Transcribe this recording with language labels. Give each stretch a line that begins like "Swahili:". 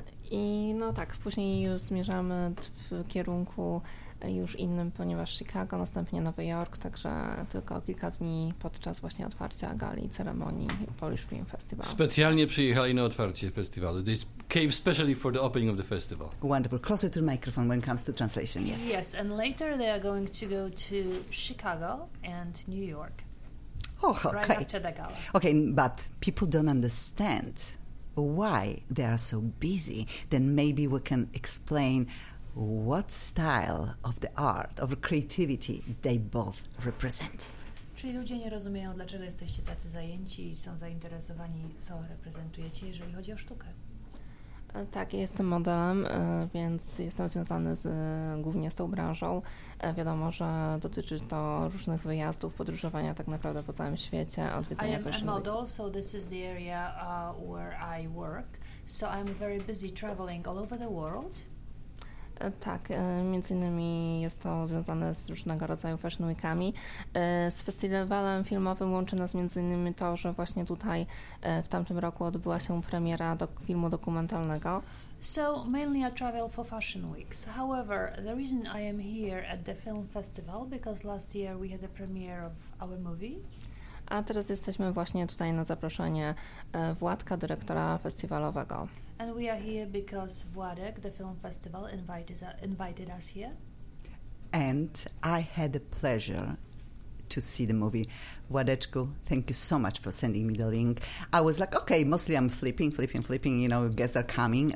Polish: I no tak, później już zmierzamy w kierunku już innym, ponieważ Chicago, następnie Nowy Jork, także tylko kilka dni podczas właśnie otwarcia gali i ceremonii Polish Film Festival. Specjalnie przyjechali na otwarcie festiwalu.
English: They came specially for the opening of the festival. Wonderful. Closer to the microphone when it comes to translation, yes. Yes, and later they are going to go to Chicago and New York. Oh, okay. Right after the gala. Okay, but people don't understand why they are so busy. Then maybe we can explain what style of the art, of creativity they both represent.
Polish: Czyli ludzie nie rozumieją, dlaczego jesteście tacy zajęci i są zainteresowani, co reprezentujecie, jeżeli chodzi o sztukę. Tak, jestem modelem, więc jestem związany głównie z tą branżą. Wiadomo, że dotyczy to różnych wyjazdów, podróżowania tak naprawdę po całym świecie, odwiedzania
English: fashion. I am a model, so this is the area where I work. So I'm very busy traveling all over the world.
Polish: Tak, między innymi jest to związane z różnego rodzaju fashion weekami. Z festiwalem filmowym łączy nas między innymi to, że właśnie tutaj w tamtym roku odbyła się premiera filmu dokumentalnego.
English: So mainly I travel for fashion weeks. However, the reason I am here at the film festival because last year we had a premiere of our movie.
Polish: A teraz jesteśmy właśnie tutaj na zaproszenie Władka, dyrektora festiwalowego.
English: And we are here because Władek, the film festival, invited us here. And I had the pleasure to see the movie. Władeczku, thank you so much for sending me the link. I was like, okay, mostly I'm flipping, you know, guests are coming.